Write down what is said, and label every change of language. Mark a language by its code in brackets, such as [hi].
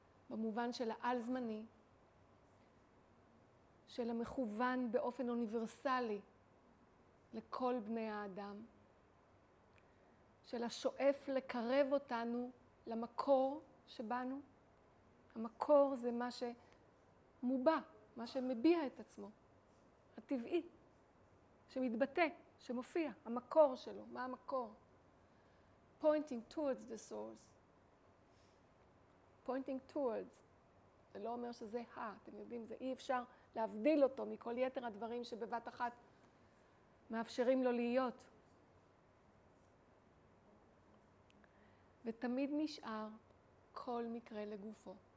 [he] במובן של העל זמני, של המכוון באופן אוניברסלי לכל בני האדם, של השואף לקרב אותנו למקור שבנו. המקור זה מה שמובע, מה שמביע את עצמו, הטבעי, שמתבטא, שמופיע, המקור שלו, מה המקור? [en] Pointing towards the source. Pointing towards, [he] זה לא אומר שזה ה, אתם יודעים, זה אי אפשר להבדיל אותו מכל יתר הדברים שבבת אחת מאפשרים לו להיות. ותמיד נשאר כל מקרה לגופו.